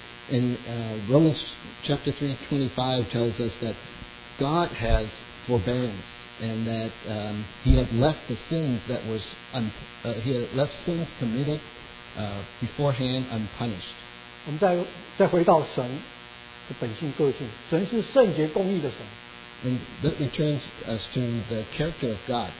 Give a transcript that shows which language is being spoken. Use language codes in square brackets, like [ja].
[en] In Romans chapter 3:25 tells us that God has forbearance and that He had left the sins that was He had left sins committed. Beforehand unpunished. [zh] 我们再回到神的本性个性，神是圣洁公义的神。 [en] And that returns us to the character of God.